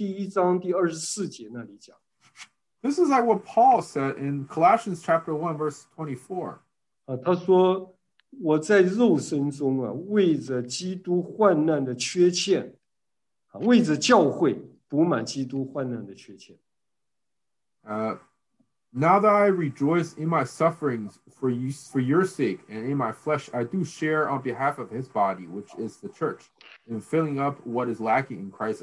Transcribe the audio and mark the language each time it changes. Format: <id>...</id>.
<zh>这就好像保罗在哥罗西书第一章第二十四节那里讲。</zh> <en>This is like what Paul said in Colossians chapter 1, verse 24.</en> <zh>他说,我在肉身中啊, 为着基督患难的缺欠, 为着教会, 补满基督患难的缺欠。</zh> <en>Now that I rejoice in my sufferings for you, for your sake, and in my flesh, I do share on behalf of his body, which is the church, in filling up what is lacking in Christ's</en>